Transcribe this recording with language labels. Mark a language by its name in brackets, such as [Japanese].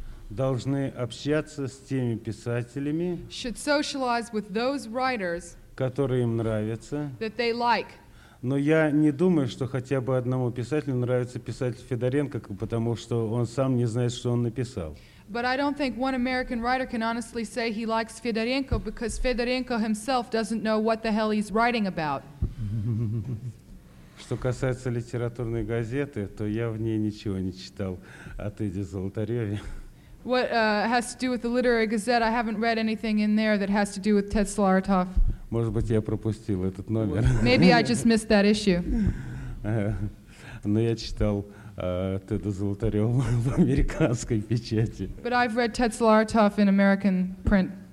[Russian] должны общаться с теми писателями, [English] should socialize with those writers, [Russian] которые им нравятся, [English] that they like. [Russian] Но я не думаю, что хотя бы одному писателю нравится писатель Федоренко, потому что он сам не знает, что он написал. [English] But I don't think one American writer can honestly say he likes Федоренко, because Федоренко himself doesn't know what the hell he's writing about. [Russian] Что касается литературной газеты, то я в ней ничего не читал от Иди Золотареве. [English] What has to do with the literary gazette? I haven't read anything in there that has to do with Ted Solotaroff. [Russian] Может быть, я пропустил этот номер. [English] Maybe I just missed that issue. [Russian] Но я читал Теда Золотарева в американской печати. [English] But I've read Ted Solotaroff in American print.